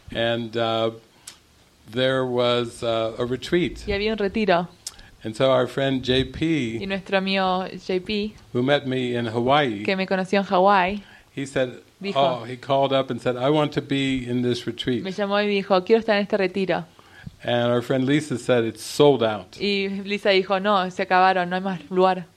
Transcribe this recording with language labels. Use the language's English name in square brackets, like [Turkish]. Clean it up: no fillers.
[English] And there was a retreat. [Spanish] Y había un retiro. [English] And so our friend JP. [Spanish] Y nuestro amigo JP. [English] Who met me in Hawaii. [Spanish] Que me conoció en Hawaii. [English] He said, [Spanish] dijo, [English] oh, he called up and said, I want to be in this retreat. [Spanish] Me llamó y me dijo, quiero estar en este retiro. [English] And our friend Lisa said it's sold out. [Spanish] Y Lisa dijo, no, se acabaron, no hay más lugar.